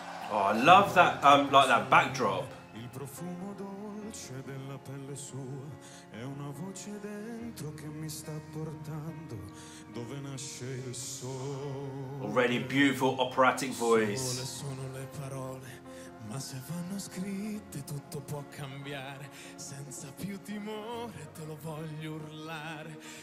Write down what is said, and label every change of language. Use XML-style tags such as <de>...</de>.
<en>Oh, I love that, like that backdrop.</en> <it>Il profumo dolce della pelle sua è una voce dentro che mi sta portando dove nasce il sole.</it> <en>Already beautiful operatic voice.</en> <it>Sole sono le parole, ma se vanno scritte tutto può cambiare. Senza più timore te lo voglio urlare.</it>